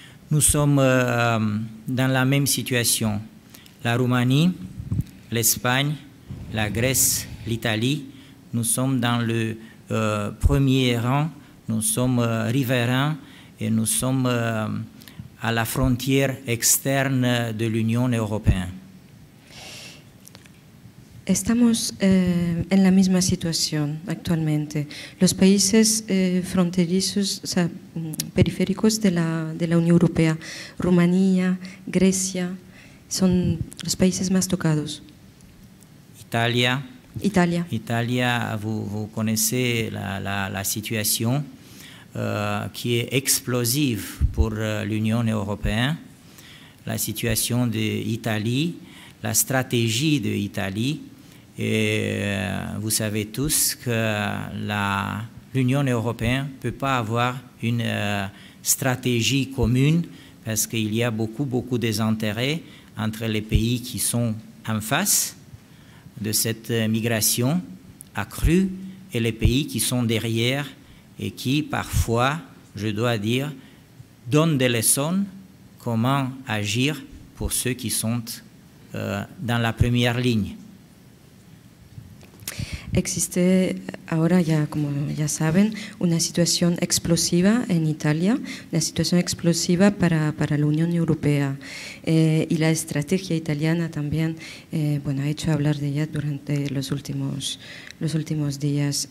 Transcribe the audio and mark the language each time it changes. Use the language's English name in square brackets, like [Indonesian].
[French] Nous sommes dans la même situation. La Roumanie, l'Espagne, la Grèce, l'Italie, nous sommes dans le premier rang, nous sommes riverains et nous sommes à la frontière externe de l'Union européenne. [Spanish] Estamos en la misma situación actualmente. Los países fronterizos, o sea, periféricos de la Unión Europea, Rumanía, Grecia, son los países más tocados. Italia. [French] Italia, vous connaissez la situation qui est explosive pour l'Union européenne. La situation de l'Italie, la stratégie de l'Italie. Et vous savez tous que l'Union européenne ne peut pas avoir une stratégie commune parce qu'il y a beaucoup, beaucoup d'intérêts entre les pays qui sont en face de cette migration accrue et les pays qui sont derrière et qui, parfois, je dois dire, donnent des leçons comment agir pour ceux qui sont dans la première ligne. [Spanish] Existe ahora, ya como ya saben, una situación explosiva en Italia, una situación explosiva para la Unión Europea. Y la estrategia italiana también, bueno, ha hecho hablar de ella durante los últimos días.